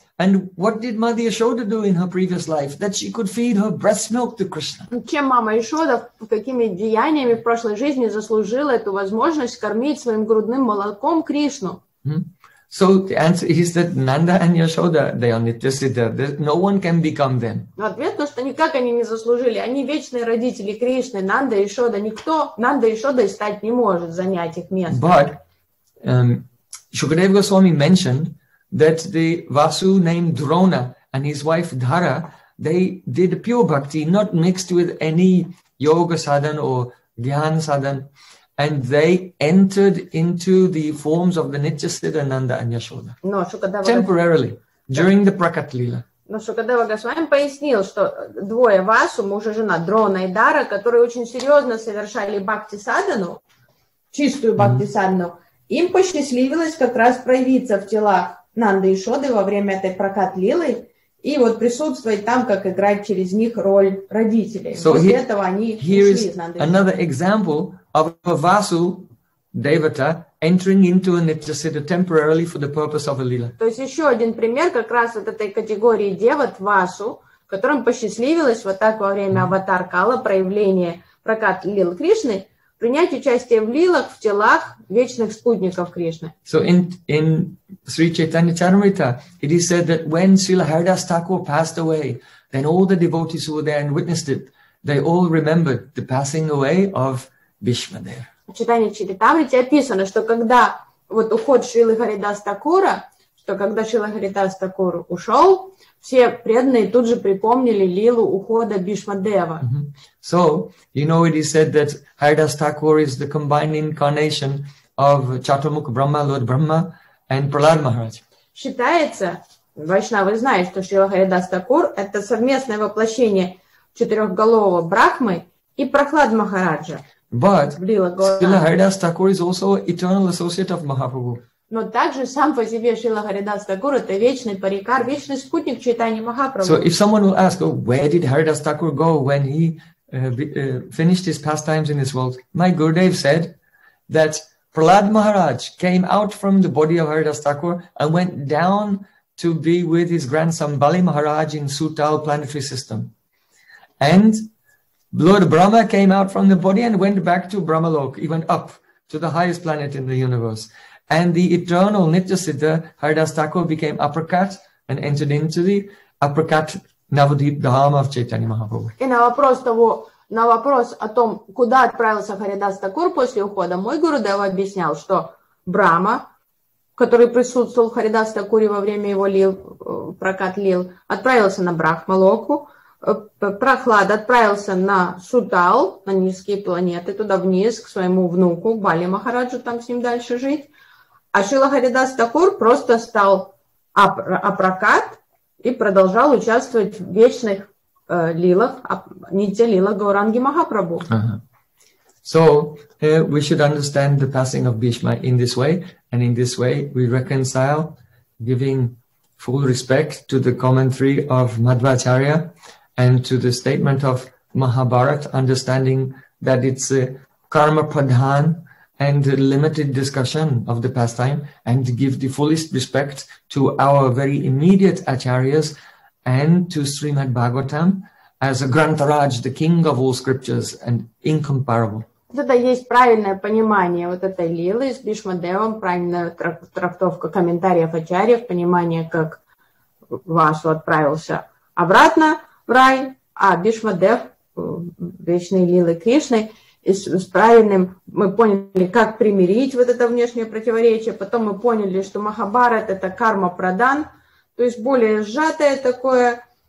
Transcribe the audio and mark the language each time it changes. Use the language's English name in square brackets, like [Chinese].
[English] And what did Mother Yashoda do in her previous life that she could feed her breast milk to Krishna? [Russian] Чем мама Яшода, какими деяниями в прошлой жизни заслужила эту возможность кормить своим грудным молоком Кришну? [English] So the answer is that Nanda and Yashoda, they are Nityasiddha. No one can become them. [Russian] Ответ то, что никак они не заслужили. Они вечные родители Кришны, Нанда и Яшода. Никто Нанда и Яшода стать не может, занять их место. [English] But Shukadeva Goswami mentioned that the Vasu named Drona and his wife Dhara, they did pure bhakti, not mixed with any yoga sadhana or jnana sadhana, and they entered into the forms of the Nityasiddha Nanda and Yashoda. No, Shukadeva... Temporarily, during the Prakat Lila. [Russian] Но Шукадева Госвами пояснил, что двое Васу, муж и жена, Дрона и Дара, которые очень серьезно совершали бхакти садхану, чистую бхакти садхану, им посчастливилось как раз проявиться в телах Нанды и Шоды во время этой прокат лилы и вот присутствовать там, как играть через них роль родителей. [English] So [Russian] после [English] here, [Russian] этого они [English] here [Russian] ушли из Нанды. [English] Another example of a Vasu Devata entering into a Nityasiddha temporarily for the purpose of a lila. [Russian] То есть еще один пример как раз вот этой категории Деват Васу, которым посчастливилось вот так во время аватар-кала проявление прокат лил Кришны, принять участие в лилах, в телах вечных спутников Кришны. [English] So in Sri Chaitanya Charamrita, it is said that when Srila Haridas Thakur passed away, then all the devotees who were there and witnessed it, they all remembered the passing away of Bhishma there. [Russian] В читании Чайтанья-чаритамриты описано, что когда вот уход Шрилы Харидас Такура, что когда Шрила Харидас Такур ушел, все преданные тут же припомнили лилу ухода Бишмадева. Mm-hmm. [English] So, you know, it is said that Харидас Такур is the combined incarnation of Чатурмуха Брахма, Lord Brahma, and Прахлад Махарадж. [Russian] Считается, вайшнавы знают, что Шрила Харидас Такур – это совместное воплощение четырехголового Брахмы и Прахлад Махараджа. [English] But Srila Haridas Thakur is also an eternal associate of Mahaprabhu. [Russian] Но также сам по себе Шрила Харидас Такур это вечный парикар, вечный спутник Чайтаньи Махапрабху. [English] So if someone will ask, oh, where did Haridas Thakur go when he finished his pastimes in this world? My Gurudev said that Prahlad Maharaj came out from the body of Haridas Thakur and went down to be with his grandson Bali Maharaj in Sutal planetary system. And Lord Brahma came out from the body and went back to Brahmalok. He went up to the highest planet in the universe. And the eternal Nitya Siddha, Haridas Thakur, became Aprakat and entered into the Aprakat Navadip Dhamma of Chaitanya Mahaprabhu. [Russian] И на вопрос того, на вопрос о том, куда отправился Харидас Такур после ухода, мой Гурудева объяснял, что Брахма, который присутствовал в Харидас Такуре во время его лил, прокат лил, отправился на Брахмалоку, Прахлад отправился на Сутал, на низкие планеты, туда вниз, к своему внуку, Бали Махараджу, там с ним дальше жить. А Шрила Харидас Такур просто стал апракат и продолжал участвовать в вечных лилах, нитья лилах Гауранги Махапрабху. [English] So, we should understand the passing of Bhishma in this way, and in this way we reconcile giving full respect to the commentary of Madhvacharya and to the statement of Mahabharata, understanding that it's a karma pradhan and a limited discussion of the pastime, and to give the fullest respect to our very immediate acharyas and to Srimad Bhagavatam as a grantharaj, the king of all scriptures and incomparable. [Russian] Это есть правильное понимание вот этой лилы с Бишмадевом, правильная трактовка комментариев ачарьев, понимание, как Васу отправился обратно в рай, а Бишмадев, вечной лилы Кришны, и с правильным мы поняли, как примирить вот это внешнее противоречие, потом мы поняли, что Махабхарат это карма прадан, то есть более сжатое такое